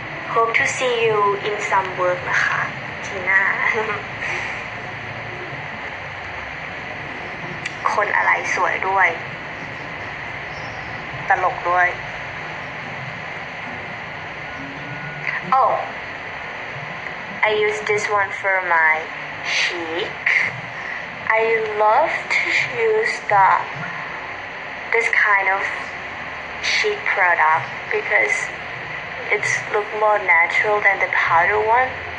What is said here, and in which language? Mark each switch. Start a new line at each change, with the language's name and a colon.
English: Hope to see you in some work, ha. Tina.
Thai: คนอะไรสวยด้วย ตลกด้วย
English: Oh, I use this one for my cheek. I love to use the. This kind of cheek product because it looks more natural than the powder one.